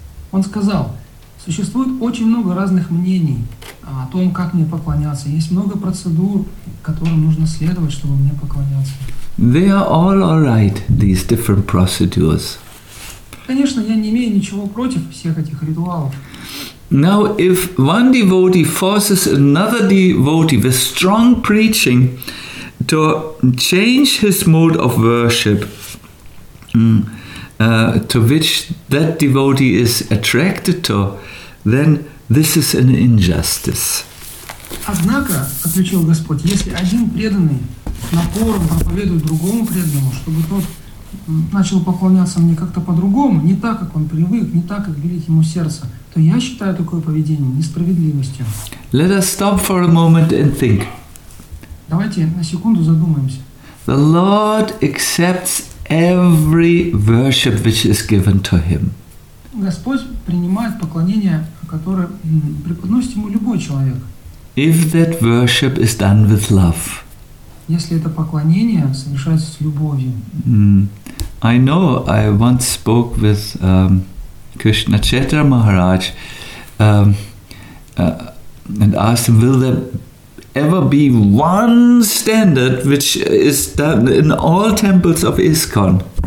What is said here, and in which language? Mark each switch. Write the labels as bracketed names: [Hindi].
[Russian] Он сказал, существует очень много разных мнений о том, как мне поклоняться. Есть много процедур, которым нужно следовать, чтобы мне поклоняться. [English] They are all right, these different procedures. [Russian] Конечно, я не имею ничего против всех этих ритуалов. [English] Now, if one devotee forces another devotee with strong preaching to change his mode of worship, to which that devotee is attracted to, then this is an injustice. [Russian] Однако, отвечал Господь, если один преданный напором проповедует другому преданному, чтобы тот начал поклоняться мне как-то по-другому, не так, как он привык, не так, как велит ему сердце, то я считаю такое поведение несправедливостью. [English] Let us stop for a moment and think. [Russian] Давайте на секунду задумаемся. [English] The Lord accepts every worship which is given to him. [Russian] Господь принимает поклонение, которое преподносит ему любой человек. [English] If that worship is done with love. [Russian] Если это поклонение совершается с любовью. [English] I know I once spoke with Krishna Chaitanya Maharaj and asked him, will there ever be one standard which is done in all temples of ISKCON?